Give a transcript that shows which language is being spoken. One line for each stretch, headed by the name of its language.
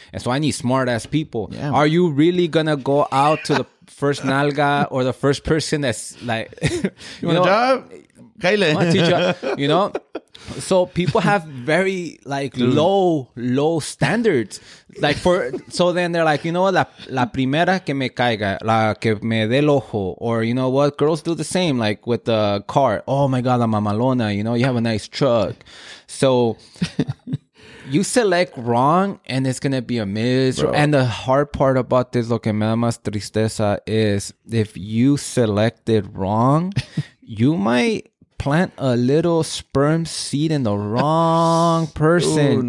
English: And so I need smart ass people. Yeah. Are you really going to go out to the first nalga or the first person that's like, you want a job? You know? So people have very like low standards. Like so then they're like, you know what?
Spanish: La primera que me caiga, la que me dé el ojo.
English: Or you know what? Girls do the same, like with the car. Oh my God, la mamalona, you know, you have a nice truck. So you select wrong and it's going to be a miserable. And the hard part about this,
Spanish: lo que me da más tristeza,
English: is if you selected wrong, you might plant a little sperm seed in the wrong person.